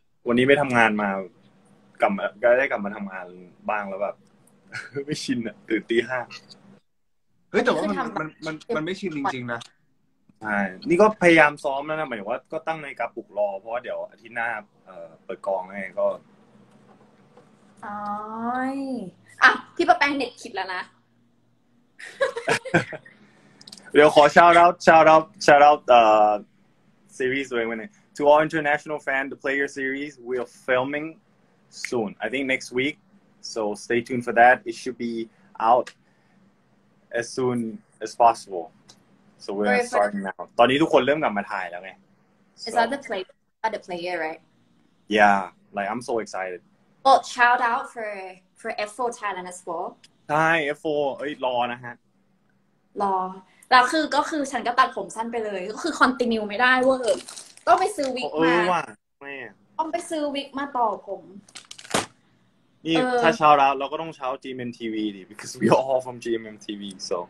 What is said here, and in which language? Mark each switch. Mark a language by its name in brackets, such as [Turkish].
[Thai] นนี้ไม่ทำงานมากลับมาทำงานบ้างแล้วแบบไม่ชินอ่ะตื่น5 เฮ้ยแต่ว่ามันไม่ชินจริงๆนะ ใช่นี่ก็พยายามซ้อมแล้วนะหมายว่าก็ตั้งในกระปุกรอเพราะเดี๋ยวอาทิตย์หน้าเปิดกองไงก็อ๋ออ่ะพี่ประแปงเน็ตคิดแล้วนะ เดี๋ยวขอ [English] shout out series [Thai] ด้วยวันนี้ [English] to all international fan the player series we are filming soon I think next week so stay tuned for that it should be out as soon as possible. So we're starting now. [Thai] ตอนนี้ทุกคนเริ่มกลับมาถ่ายแล้วไง [English] It's not the player, right? Yeah, like I'm so excited. Well, shout out for F4 Thailand as well. [Thai] ใช่ F4 เอ้ยรอนะฮะ รอแล้วคือฉันก็ตัดผมสั้นไปเลยก็คือ continue ไม่ได้เว้ยต้องไปซื้อวิกมาต้องไปซื้อวิกมาต่อผม นี่ถ้าชาวเราเราก็ต้องชาว GMM TV ดิ [English] because we all from GMM TV so